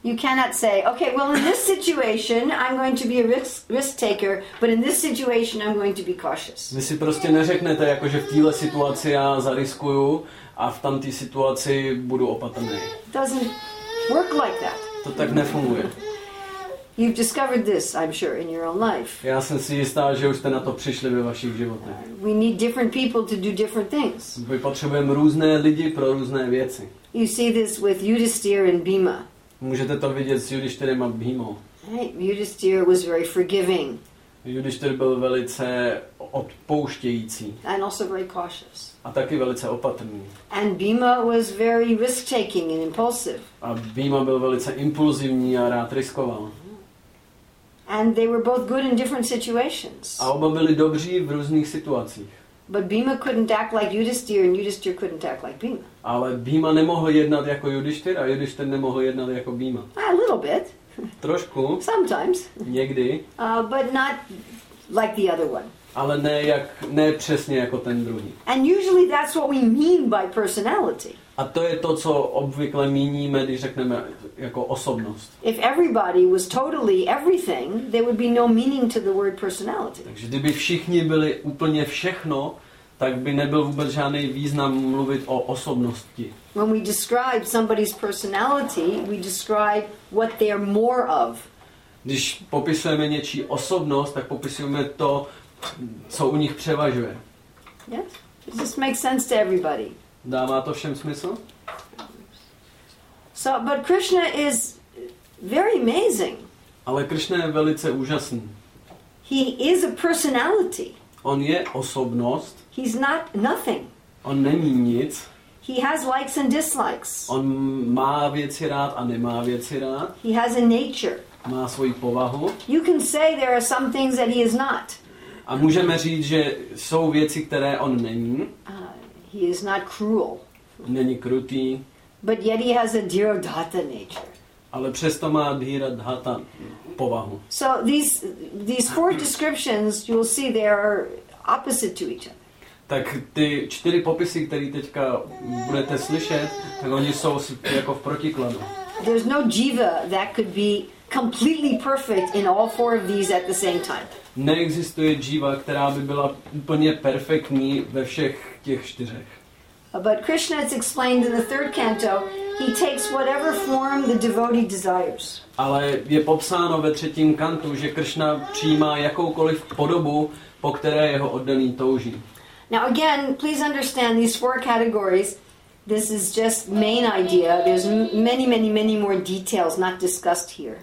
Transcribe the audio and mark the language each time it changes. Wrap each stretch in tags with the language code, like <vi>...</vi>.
<en>You cannot say, okay, well in this situation I'm going to be a risk taker, but in this situation I'm going to be cautious.</en> <cs>Vy si prostě neřeknete, jakože v téhle situaci já zariskuju a v tamté situaci budu opatrný.</cs> <en>Doesn't work like that.</en> <cs>To tak nefunguje.</cs> <en>You've discovered this, I'm sure, in your own life.</en> <cs>Já jsem si jistá, že už jste na to přišli ve vašich životech.</cs> <en>We need different people to do different things.</en> <cs>My potřebujeme různé lidi pro různé věci.</cs> <en>You see this with Yudhisthira and Bhima.</en> <cs>Můžete to vidět s Yudhisthirem a Bhimou.</cs> <en>Right? Yudhisthira was very forgiving.</en> <cs>Yudhisthir byl velice odpouštějící.</cs> <en>And also very cautious.</en> <cs>A taky velice opatrný.</cs> <en>And Bhima was very risk-taking and impulsive.</en> <cs>A Bhima byl velice impulzivní a rád riskoval.</cs> <en>And they were both good in different situations.</en> <cs>A oba byli dobří v různých situacích.</cs> <en>But Bhima couldn't act like Yudhisthira, and Yudhisthira couldn't act like Bhima.</en> <cs>Ale Bhima nemohl jednat jako Yudhisthira, a Yudhisthira nemohl jednat jako Bhima.</cs> <en>A little bit.</en> <cs>Trošku.</cs> <en>Sometimes.</en> <cs>Někdy.</cs> <en>But not like the other one.</en> <cs>Ale ne jak, ne přesně jako ten druhý.</cs> <en>And usually that's what we mean by personality.</en> <cs>A to je to, co obvykle míníme, když řekneme jako osobnost.</cs> <en>If everybody was totally everything, there would be no meaning to the word personality.</en> <cs>Takže kdyby všichni byli úplně všechno, tak by nebyl vůbec žádný význam mluvit o osobnosti.</cs> <en>When we describe somebody's personality, we describe what they are more of.</en> <cs>Když popisujeme něčí osobnost, tak popisujeme to, co u nich převažuje.</cs> <en>Yes. Does this make sense to everybody?</en> <cs>Dává to všem smysl?</cs> <en>So, but Krishna is very amazing.</en> <cs>Ale Krishna je velice úžasný.</cs> <en>He is a personality.</en> <cs>On je osobnost.</cs> <en>He's not nothing.</en> <cs>On není nic.</cs> <en>He has likes and dislikes.</en> <cs>On má věci rád a nemá věci rád.</cs> <en>He has a nature.</en> <cs>Má svoji povahu.</cs> <en>You can say there are some things that he is not.</en> <cs>A můžeme říct, že jsou věci, které on není.</cs> <en>He is not cruel.</en> <cs>Není krutý.</cs> <en>But yet he has a dhirodhata nature.</en> <cs>Ale přesto má dhirodhata povahu.</cs> <en>So these four descriptions you will see they are opposite to each other.</en> <cs>Tak ty čtyři popisy, které teďka budete slyšet, tak oni jsou jako v protikladu.</cs> <en>There's no jiva that could be completely perfect in all four of these at the same time.</en> <cs>Neexistuje jiva, která by byla úplně perfektní ve všech těch čtyřech.</cs> <en>But Krishna is explained in the third canto, he takes whatever form the devotee desires.</en> <cs>Ale je popsáno ve třetím kantu, že Krishna přijímá jakoukoliv podobu, po které jeho oddaný touží.</cs> <en>Now again, please understand these four categories. This is just main idea. There's many more details not discussed here.</en>